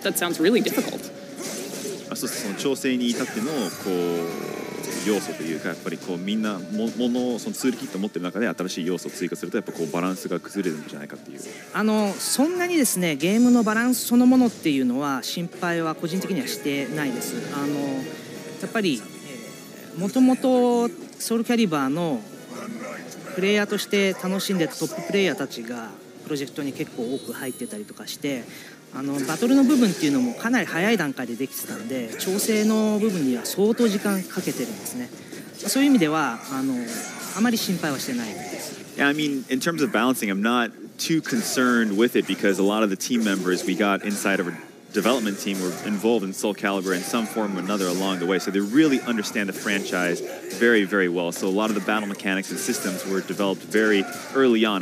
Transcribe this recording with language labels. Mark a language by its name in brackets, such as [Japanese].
[English] That sounds really difficult. [Japanese] そうですね、調整に至ってのこう要素というかやっぱりこうみんなものをそのツールキットを持ってる中で新しい要素を追加するとやっぱこうバランスが崩れるんじゃないかっていう。そんなにですねゲームのバランスそのものっていうのは心配は個人的にはしてないです。やっぱりもともとソウルキャリバーのプレイヤーとして楽しんでたトッププレイヤーたちがプロジェクトに結構多く入ってたりとかして、バトルの部分っていうのもかなり早い段階でできてたんで、調整の部分には相当時間かけてるんですね。そういう意味では、あまり心配はしてないです。 [English] Yeah, I mean, in terms of balancing, I'm not too concerned with it because a lot of the team members we got inside of our development team were involved in Soul Calibur in some form or another along the way. So they really understand the franchise very, very well. So a lot of the battle mechanics and systems were developed very early on.